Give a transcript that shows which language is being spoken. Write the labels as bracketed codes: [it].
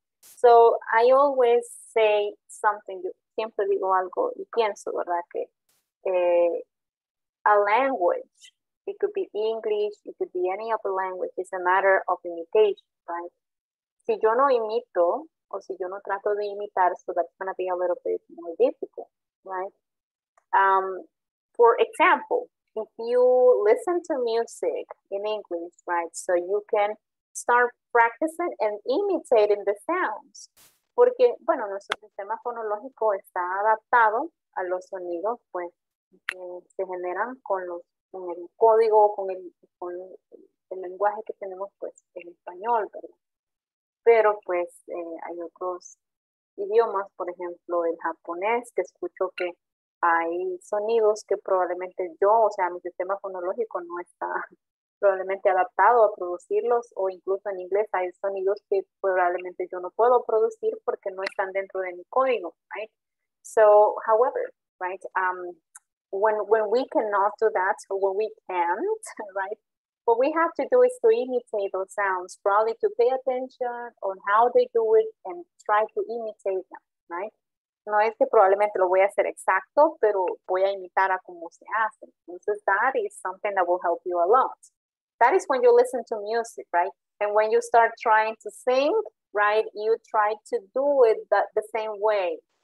[en] So I always say something, [es] yo siempre digo algo y pienso, [en] ¿verdad? Que a language, it could be English, it could be any other language, it's a matter of imitation, right? [es] Si yo no imito, o si yo no trato de imitar, [en] so that's going to be a little bit more difficult, [es] right? [en] For example, if you listen to music in English, right, so you can start practicing and imitating the sounds. [es] Porque, bueno, nuestro sistema fonológico está adaptado a los sonidos, pues, que se generan con, los, con el código, con el lenguaje que tenemos, pues, en español, ¿verdad? Pero, pues, hay otros idiomas, por ejemplo, el japonés, que escucho que hay sonidos que probablemente yo, o sea, mi sistema fonológico no está probablemente adaptado a producirlos, o incluso en inglés hay sonidos que probablemente yo no puedo producir porque no están dentro de mi código, right? [en] So, however, right, when we cannot do that, or when we can't, right, what we have to do is to imitate those sounds, probably to pay attention on how they do it and try to imitate them, right? [es] No es que probablemente lo voy a hacer exacto, pero voy a imitar a cómo se hace. [en] Entonces, that is something that will help you a lot. That is when you listen to music, right? And when you start trying to sing, right, you try to do it the same way.